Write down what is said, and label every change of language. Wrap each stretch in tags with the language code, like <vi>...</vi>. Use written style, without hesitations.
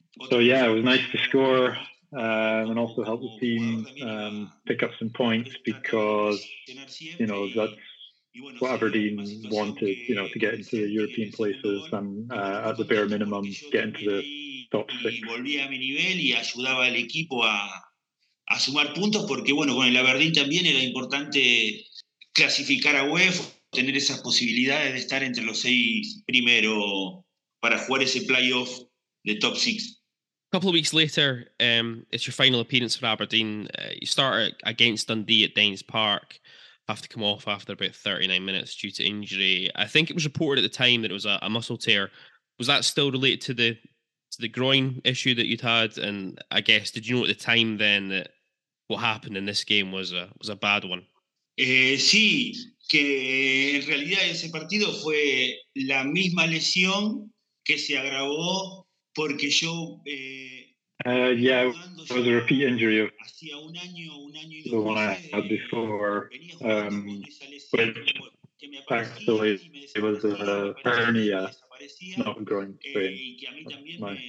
<en>So, yeah, it was nice to score. And also help the team pick up some points because, you know, that's what Aberdeen wanted, you know, to get into the European places and at the bare minimum get into the top six.</en> <es>Volvía a mi nivel y ayudaba al equipo a sumar puntos porque, bueno, con el Aberdeen también era importante clasificar a UEFA, tener esas posibilidades de estar entre los seis primero para jugar ese playoff de top six.</es> <en>A couple of weeks later, it's your final appearance for Aberdeen. You start against Dundee at Danes Park, have to come off after about 39 minutes due to injury. I think it was reported at the time that it was a muscle tear. Was that still related to the groin issue that you'd had? And I guess, did you know at the time then that what happened in this game was a bad one?</en> <es>Sí, que en realidad ese partido fue la misma lesión que se agravó.</es> <en>Yeah, it was a repeat injury of the one I had before, which actually it was a hernia, not a groin strain.</en>